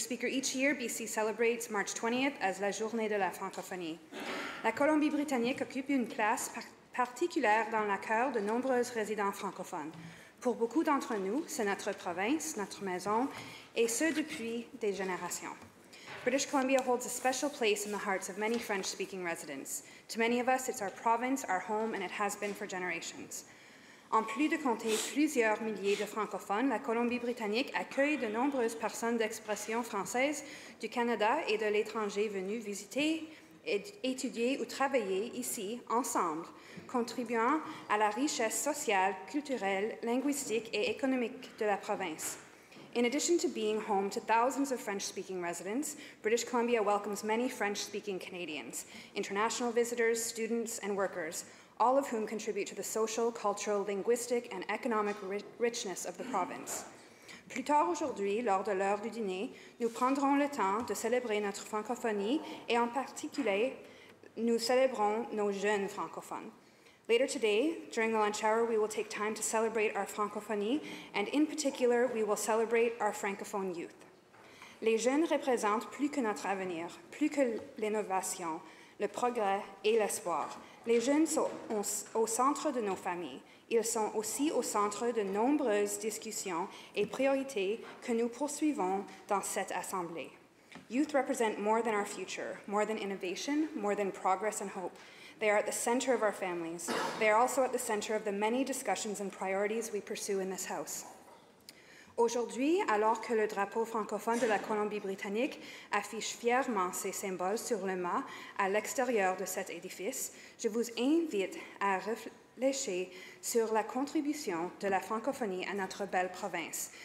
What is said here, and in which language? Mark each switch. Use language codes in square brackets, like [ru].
[en] Speaker, each year, BC celebrates March 20th as la Journée de la Francophonie. [fr] La Colombie-Britannique occupe une place particulière dans le cœur de nombreux résidents francophones. Pour beaucoup d'entre nous, c'est notre province, notre maison, et ce depuis des générations. [en] British Columbia holds a special place in the hearts of many French-speaking residents. To many of us, it's our province, our home, and it has been for generations. [fr] En plus de compter plusieurs milliers de francophones, la Colombie-Britannique accueille de nombreuses personnes d'expression française du Canada et de l'étranger venues visiter, étudier ou travailler ici, ensemble, contribuant à la richesse sociale, culturelle, linguistique et économique de la province. [en] In addition to being home to thousands of French-speaking residents, British Columbia welcomes many French-speaking Canadians, international visitors, students, and workers, all of whom contribute to the social, cultural, linguistic, and economic richness of the province. [fr] Plus tard aujourd'hui, lors de l'heure du dîner, nous prendrons le temps de célébrer notre francophonie, et en particulier, nous célébrons nos jeunes francophones. [en] Later today, during the lunch hour, we will take time to celebrate our francophonie, and in particular, we will celebrate our francophone youth. [fr] Les jeunes représentent plus que notre avenir, plus que l'innovation, le progrès et l'espoir. Les jeunes sont au centre de nos familles. Ils sont aussi au centre de nombreuses discussions et priorités que nous poursuivons dans cette Assemblée. [en] Youth represent more than our future, more than innovation, more than progress and hope. They are at the center of our families. They are also at the center of the many discussions and priorities we pursue in this House. [fr] Aujourd'hui, alors que le drapeau francophone de la Colombie-Britannique affiche fièrement ses symboles sur le mât à l'extérieur de cet édifice, je vous invite à réfléchir sur la contribution de la francophonie à notre belle province.